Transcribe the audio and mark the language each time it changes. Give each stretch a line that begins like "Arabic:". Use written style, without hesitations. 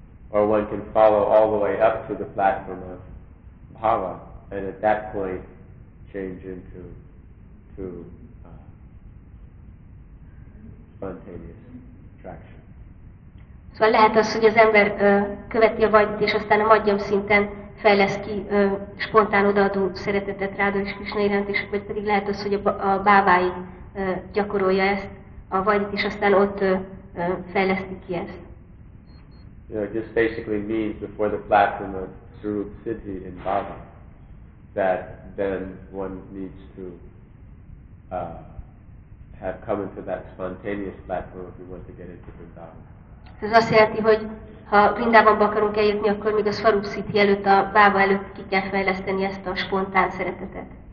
English: Or one can follow all the way up to the platform of Bhava and at that point change into spontaneous attraction.
Hungarian: Szóval lehet az, hogy az ember követi a Vaidhit, és aztán a Madhyam szinten fejlesz ki spontán odaadó szeretetet Rádha és Krisna iránt, és vagy pedig lehet az, hogy a bávái gyakorolja ezt a Vaidhit, és aztán ott fejleszti ki ezt.
English: You know, it just basically means before the platform of Surup Siddhi in Bhava, that then one needs to have come into that spontaneous platform if you want to get into Vrindavan.
Hungarian: Ez azt jelenti, hogy ha Vrindavanba akarunk eljutni, akkor még a Swarup Siddhi előtt, a Bhava előtt ki kell fejleszteni ezt a spontán szeretetet.